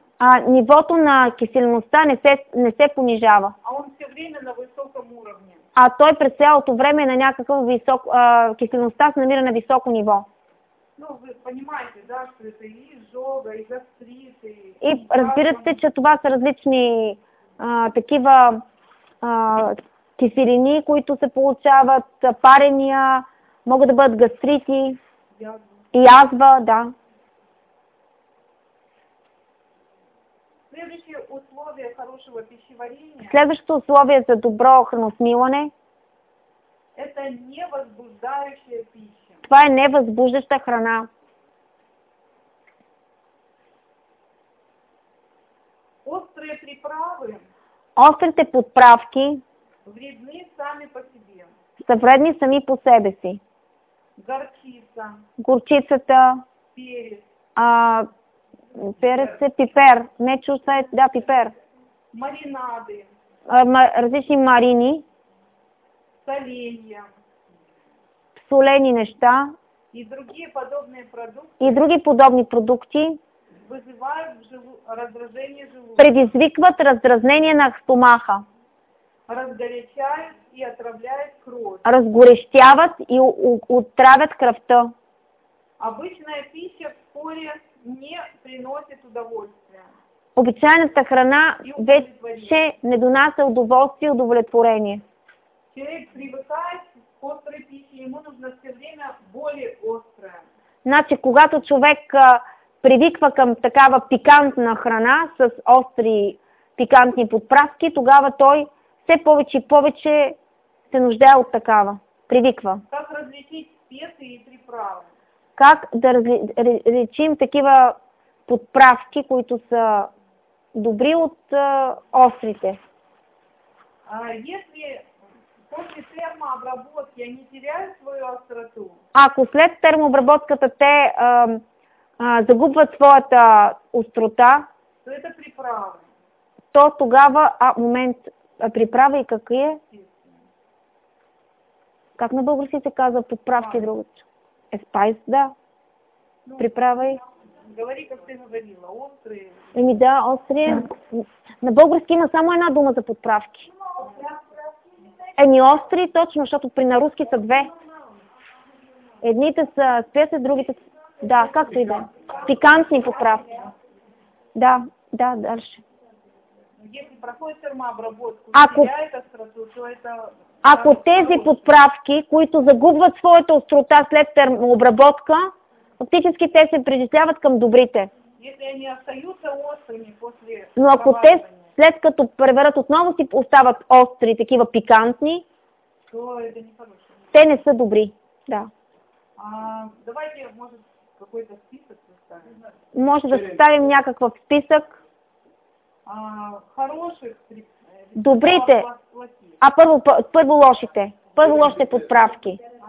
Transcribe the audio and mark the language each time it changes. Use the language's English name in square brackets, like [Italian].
[Bulgarian] А нивото на киселинността не се понижава. [Russian] А он все время на высоком уровне. [Bulgarian] А той през цялото време на някакъв висок, киселинността се намира на високо ниво. [Russian] Ну, вы понимаете, да, что это и изжога, и гастрит, [Bulgarian] и разбирате, че това са различни такива киселини, които се получават, парения, могат да бъдат гастрити, [Russian] язва, да. Следващее условие хорошего пищеварения. [Bulgarian] Следващото условие за добро храносмилане. [Russian] Это невъзбуждающая пища. [Bulgarian] Това е невъзбуждаща храна. [Russian] Острые приправы. [Bulgarian] Острите подправки. [Russian] Вредны сами по себе. [Bulgarian] Са вредни сами по себе си. [Russian] Горчица. [Bulgarian] Горчицата. [Russian] Перец. [Bulgarian] Перец е пипер. Не чувствай, да, пипер. [Russian] Маринады. [Bulgarian] Различни марини. [Russian] Соления. [Bulgarian] Солени неща. И други подобни продукти. И други подобни продукти. [Russian] Вызывают раздражение желудка. [Bulgarian] Предизвикват раздразнение на стомаха. [Russian] Разгорячают и отравляют кровь. [Bulgarian] Разгорещяват и отравят кръвта. [Russian] Обычная пища вскоре не приносит удовольствия. [Bulgarian] Обичайната храна вече не донася удоволствие и удовлетворение. [Russian] Человек привыкает к острой пище, ему нужно все время более острое. [Bulgarian] Значи, когато човек привиква към такава пикантна храна с остри пикантни подправки, тогава той все повече и повече се нуждае от такава. Привиква. [Russian] Как различить специи и приправы? [Bulgarian] Как да различим такива подправки, които са добри от острите? [Russian] Если после термообработки они теряют свою остроту? [Bulgarian] Ако след термообработката те загубват своята острота, [Russian] то это приправа. [Bulgarian] То тогава, момент, приправа и какви е? [English] Спайс. [Bulgarian] Как на български се казва подправки другото? [Russian] Е спайс, да. Ну, приправа и. Говори, как ты говорила, острые. Еми да, острые. [Bulgarian] На български има само една дума за подправки. Еми остри, точно, защото при на руски са две. Едните са спеси, другите са... Да, както и да. Пикантни подправки. Да, да, дальше. [Russian] Если проходит термообработку, теряет остроту, то это... [Bulgarian] Ако тези подправки, които загубват своята острота след термообработка, фактически те се причисляват към добрите. [Russian] Если они остаются острыми после... [Bulgarian] Но ако те след като преварят отново си остават остри, такива пикантни, [Russian] то это не хорошо. [Bulgarian] Те не са добри, да. [Russian] Давайте, может, какой-то список составим. [Bulgarian] Може да съставим някакъв списък. [Russian] Хороших... [Bulgarian] Добрите. А първо лошите. Първо лошите подправки.